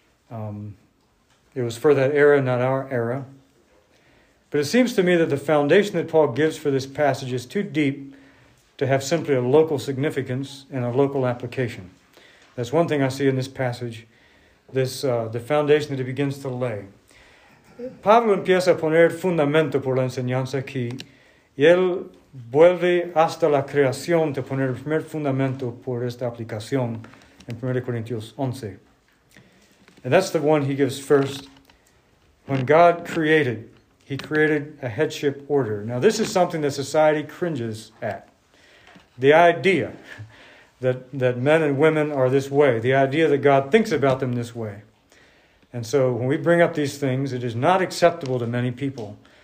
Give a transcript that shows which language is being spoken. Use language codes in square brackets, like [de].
[en] It was for that era, not our era. But it seems to me that the foundation that Paul gives for this passage is too deep to have simply a local significance and a local application. That's one thing I see in this passage, the foundation that he begins to lay. [es] Pablo empieza a poner fundamento por la enseñanza aquí, y él vuelve hasta la creación de poner el primer fundamento por esta aplicación en 1 Corintios 11. [en] And that's the one he gives first. When God created, he created a headship order. Now, this is something that society cringes at. The idea that men and women are this way. The idea that God thinks about them this way. And so when we bring up these things, it is not acceptable to many people.